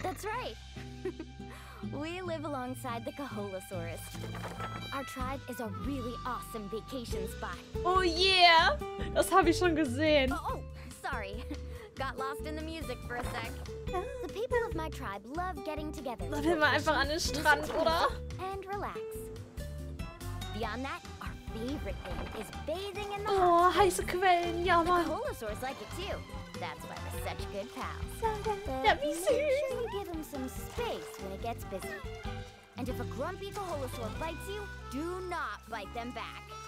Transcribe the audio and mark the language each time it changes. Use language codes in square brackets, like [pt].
[en] That's right. We live alongside the Koholosaurus. Our tribe is a really awesome vacation spot. [de] Oh yeah! Das habe ich schon gesehen. [en] Oh, sorry. got lost in the music for a sec. The people of my tribe love getting together. [de] Lass ihn mal einfach an den Strand, oder? [en] And relax. Beyond that, our favorite thing is bathing in the hot springs. [de] Oh, heiße Quellen, ja, Mann. [en] The Colossaurs like it too. That's why we're such good pals. [de] Ja, wie süß. [en] Make sure you give him some space when it gets busy. And if a grumpy Colossaur bites you, do not bite them back.